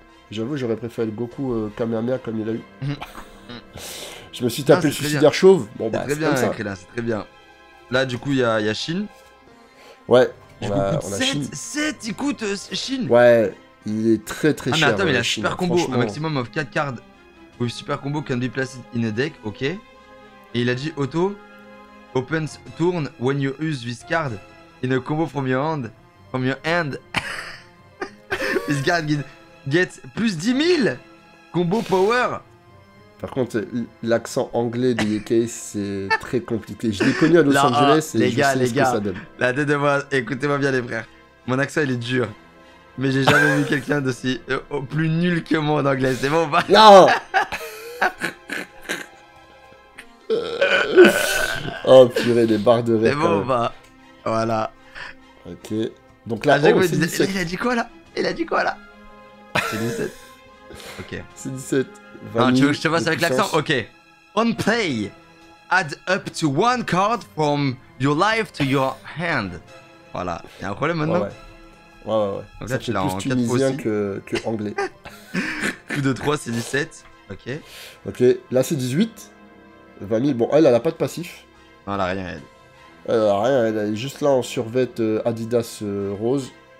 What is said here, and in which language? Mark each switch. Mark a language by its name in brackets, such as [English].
[French] J'avoue, j'aurais préféré le Goku Kamehameha comme il a eu. Je me suis tapé le suicidaire chauve. Bon, c'est très bien, Krillin, c'est très bien. Là, du coup, il y a Shin. Ouais. Il coûte 7, Shin. Ouais, il est très très cher. Ah, mais attends, il a super combo. Un maximum of 4 cartes. [English] With super combo can be placed in a deck, ok. [French] Et il a dit [English] auto opens turn when you use this card in a combo from your hand. This card gets plus 10 000 combo power. [French] Par contre, l'accent anglais de UK, c'est très compliqué. Je l'ai connu à Los Angeles et les gars, ce que ça donne. La tête de moi, écoutez-moi bien, les frères. Mon accent, il est dur. Mais j'ai jamais vu quelqu'un d'aussi plus nul que moi en anglais, c'est bon ou pas? Non. Oh purée, les barres de verre. C'est bon ou pas? Voilà. Ok. Donc là, ah, oh, c'est 17. Il a dit quoi là? C'est 17. Ok. C'est 17. Non, tu veux que je te fasse avec l'accent? Ok. [English] On play, add up to one card from your life to your hand. [French] Voilà. Y'a un problème maintenant? Ouais. Donc là, ça, tu l'as plus en tunisien que anglais. Coup de 3, c'est 17. Ok. Ok, là c'est 18. 20 000. Bon, elle a pas de passif. Non, elle a rien, elle. Elle a rien, elle est juste là en survêt Adidas rose.